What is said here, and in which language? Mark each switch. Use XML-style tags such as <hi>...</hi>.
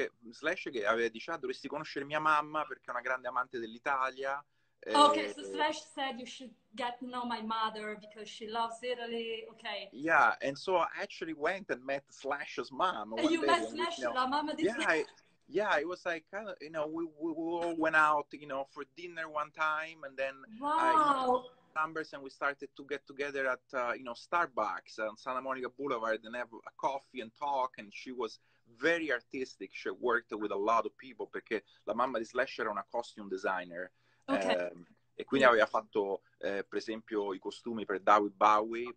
<it>Slash che aveva detto, dovresti conoscere mia mamma perché è una grande amante dell'Italia.</it> <en>So Slash said you should get to know my mother because she loves Italy, okay. Yeah, and so I actually went and met Slash's mom. You met Slash,</en> <it>la mamma di Slash?</it> <en>Yeah, it was like, kind of, you know, we all went out, you know, for dinner one time, and then numbers, and we started to get together at, you know, Starbucks on Santa Monica Boulevard and have a coffee and talk, and she was very artistic. She worked with a lot of people,</en> <it>perché la mamma di Slash era una costume designer.</it> <en>Okay.</en> <it>E quindi aveva fatto, per esempio, i costumi per David Bowie.</it>